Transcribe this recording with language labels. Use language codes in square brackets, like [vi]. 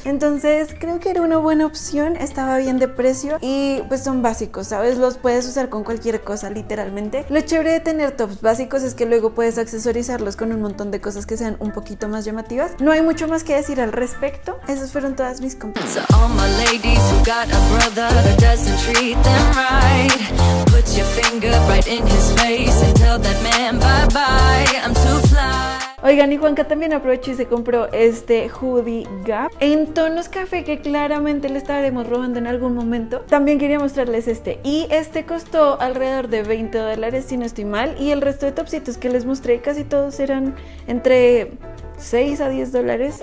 [es] Entonces creo que era una buena opción, estaba bien de precio y pues son básicos, ¿sabes? Los puedes usar con cualquier cosa, literalmente. Lo chévere de tener tops básicos es que luego puedes accesorizarlos con un montón de cosas que sean un poquito más llamativas. No hay mucho más que decir al respecto. Esas fueron todas mis compras. [en] So all my ladies who got a brother that doesn't treat them right, put your finger right in his face and tell that man bye bye, I'm too fly. [es] Oigan, y Juanca también aprovechó y se compró este hoodie Gap en tonos café que claramente le estaremos robando en algún momento. También quería mostrarles este. Y este costó alrededor de $20, si no estoy mal. Y el resto de topsitos que les mostré, casi todos eran entre 6 a $10.